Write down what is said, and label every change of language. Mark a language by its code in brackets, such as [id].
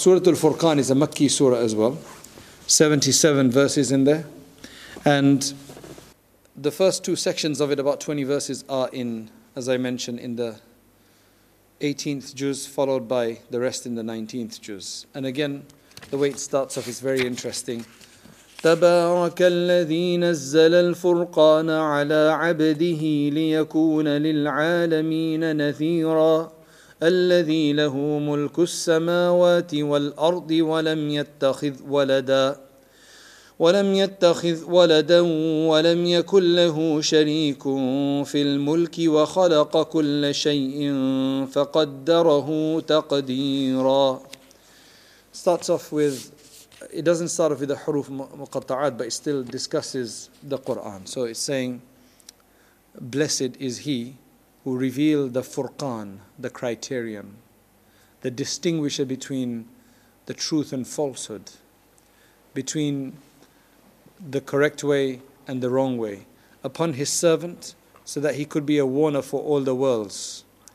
[en] Surah Al-Furqan is a Makki surah as well. 77 verses in there. And the first two sections of it, about 20 verses, are in, as I mentioned, in the 18th juz, followed by the rest in the 19th juz. And again, the way it starts off is very interesting. [ar] تبارك الذي نزل الفرقان على عبده ليكون للعالمين نذيرا الذي له ملك السماوات والأرض ولم يتخذ ولدا ولم يكن له شريك في الملك وخلق كل شيء فقدره تقديرا. [en] Starts off with, it doesn't start off with the huruf muqatta'at, but it still discusses the Quran. So it's saying, blessed is he who revealed the furqan, the criterion, the distinguisher between the truth and falsehood, between the correct way and the wrong way, upon his servant, so that he could be a warner for all the worlds.